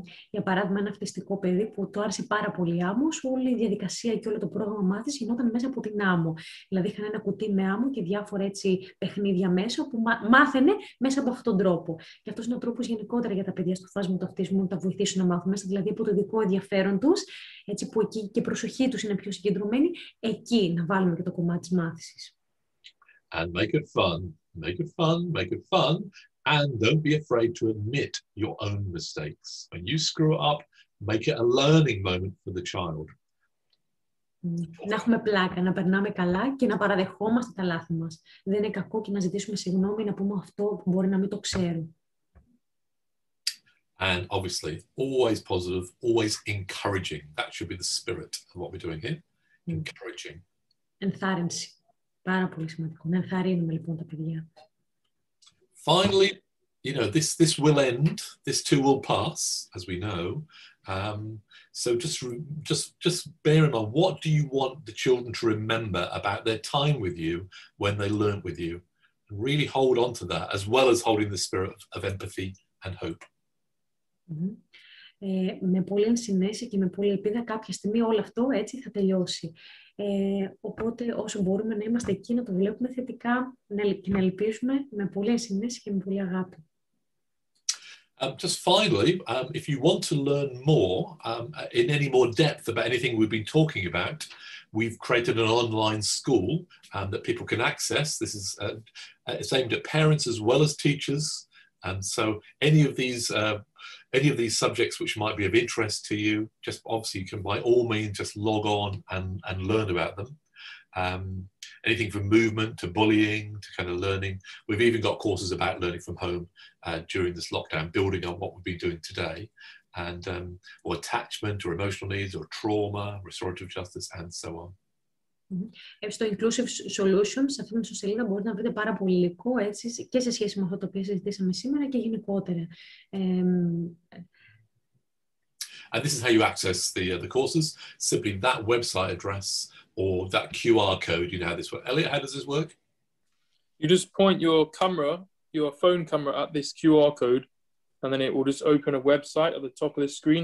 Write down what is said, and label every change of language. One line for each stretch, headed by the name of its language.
Greek: Για παράδειγμα, ένα φτιστικό παιδί που το άρεσε πάρα πολύ άμμος, όλη η διαδικασία και όλο το πρόγραμμα μάθησης γινόταν μέσα από την άμμο. Δηλαδή, είχαν ένα κουτί με άμμο και διάφορα έτσι παιχνίδια μέσα που μάθαινε μέσα από αυτόν τον τρόπο. Και αυτός είναι ο τρόπος γενικότερα για τα παιδιά στο φάσμα του αυτισμού να τα βοηθήσουν να μάθουν μέσα, δηλαδή από το δικό ενδιαφέρον τους, έτσι που εκεί και η προσοχή τους είναι πιο συγκεντρωμένη, εκεί να βάλουμε και το κομμάτι της μάθησης.
English: And make it fun, make it fun, make it fun. And don't be afraid to admit your own mistakes. When you screw up, make it a learning moment for the child.
Greek: Να έχουμε πλάκα, να περνάμε καλά και να παραδεχόμαστε τα λάθη μας. Δεν είναι κακό και να ζητήσουμε συγγνώμη, να πούμε αυτό που μπορεί να μην το ξέρω.
English: And obviously, always positive, always encouraging. That should be the spirit of what we're doing here. Encouraging.
Greek: Ενθάρρυνση. Πάρα πολύ σημαντικό. Να ενθαρρύνουμε λοιπόν τα παιδιά.
English: Finally, you know, this will end. This too will pass, as we know. So just bear in mind, what do you want the children to remember about their time with you when they learnt with you? And really hold on to that, as well as holding the spirit of empathy and hope. Mm-hmm.
Greek: Με πολλή ενσυναίσθηση και με πολλή ελπίδα κάποια στιγμή όλο αυτό έτσι θα τελειώσει. Οπότε όσο μπορούμε να είμαστε εκεί, να το βλέπουμε θετικά και να ελπίζουμε με πολλή ενσυναίσθηση και με πολλή αγάπη.
English: Just finally, if you want to learn more, in any more depth about anything we've been talking about, we've created an online school that people can access. This is it's aimed at parents as well as teachers. And so any of these subjects which might be of interest to you, just obviously you can by all means just log on and learn about them. Anything from movement to bullying to kind of learning. We've even got courses about learning from home during this lockdown, building on what we've been doing today, and or attachment or emotional needs or trauma, restorative justice, and so on.
Greek: Στο Inclusive Solutions, σε αυτήν την σελίδα μπορείτε να βρείτε πάρα πολύ υλικό έτσι, και σε σχέση με αυτό το οποίο συζητήσαμε σήμερα και γενικότερα.
English: And this is how you access the courses. Simply that website address or that QR code. You know how this works. Elliot, how does this work? You just point your camera, your phone camera at this QR code and then it will just open a website at the top of the screen.